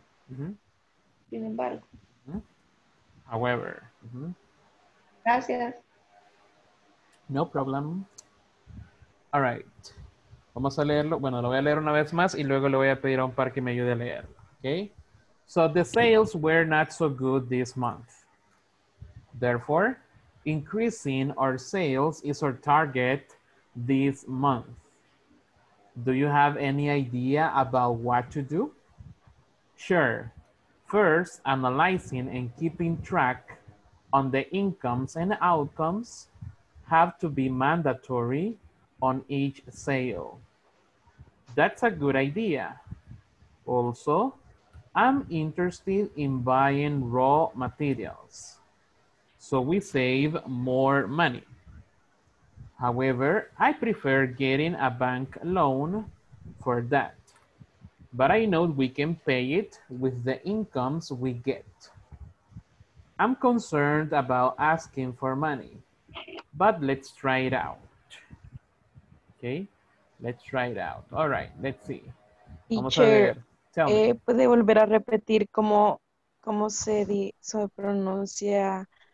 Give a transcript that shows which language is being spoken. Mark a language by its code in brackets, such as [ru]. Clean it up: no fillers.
[es] Uh-huh. Sin embargo. [en] Uh-huh. However. Uh-huh. [es] Gracias. [en] No problem. All right. [es] Vamos a leerlo. Bueno, lo voy a leer una vez más y luego le voy a pedir a un par que me ayude a leerlo. [en] Okay? So, the sales were not so good this month. Therefore, increasing our sales is our target this month. Do you have any idea about what to do? Sure. First, analyzing and keeping track on the incomes and outcomes have to be mandatory on each sale. That's a good idea. Also, I'm interested in buying raw materials, so we save more money. However, I prefer getting a bank loan for that. But I know we can pay it with the incomes we get. I'm concerned about asking for money, but let's try it out. Okay, let's try it out. All right, let's see. [es] Teacher, ¿puede volver a repetir cómo se pronuncia?